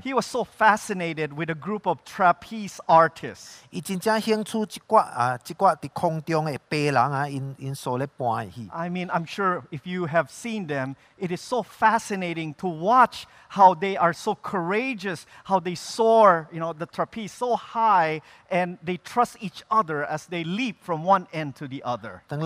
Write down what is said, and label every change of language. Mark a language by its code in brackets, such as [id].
[en] He was so fascinated with a group of trapeze artists. [nan] 伊真正兴趣一挂伫空中的飞人啊，因所咧搬的戏. [en] I mean, I'm sure if you have seen them, it is so fascinating to watch how they are so courageous, how they soar, you know, the trapeze so high, and they trust each other as they leap from one end to the other.